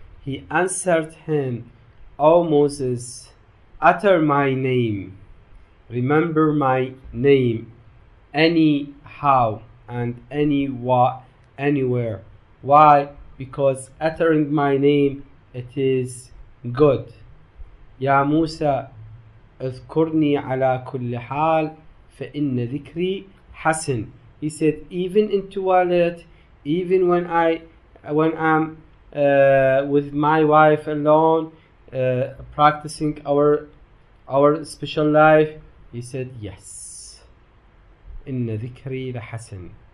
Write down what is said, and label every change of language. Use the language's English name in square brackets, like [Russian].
[English] He answered him, oh Moses, utter my name, remember my name anyhow and anywhere. Why? Because uttering my name, it is good. [Arabic] Ya Musa, اذكرني على كل حال فإن ذكري حسن. [English] He said, even in toilet, even when I'm with my wife alone, practicing our special life. He said, yes, [Arabic] إن ذكري لحسن.